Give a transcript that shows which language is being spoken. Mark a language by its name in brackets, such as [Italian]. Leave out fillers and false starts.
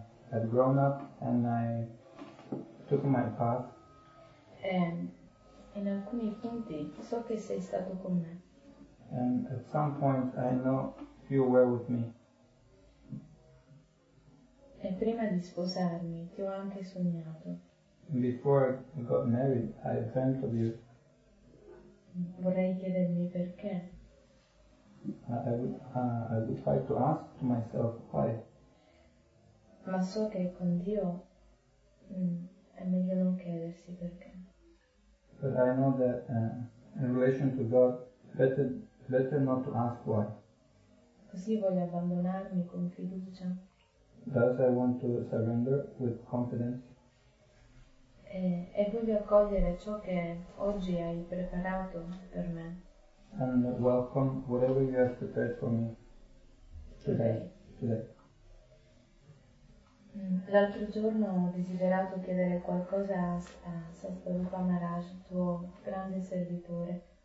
[English] I've grown up and I took my path. [Italian] In alcuni punti so che sei stato con me. [English] And at some point I know you were with me. [Italian] E prima di sposarmi, ti ho anche sognato. [English] Before I got married, I dreamt of you. [Italian] Vorrei chiedermi perché. [English] I would like to ask to myself why. [Italian] Ma so che con Dio è meglio non chiedersi perché. [English] But I know that in relation to God, better not to ask why. [Italian] Così voglio abbandonarmi con fiducia. [English] Thus I want to surrender with confidence. [Italian] E voglio accogliere ciò che oggi hai preparato per me. [English] And welcome whatever you have prepared for me today. [Italian] L'altro giorno ho desiderato chiedere qualcosa a Sastarupa Maharaj, tuo grande servitore.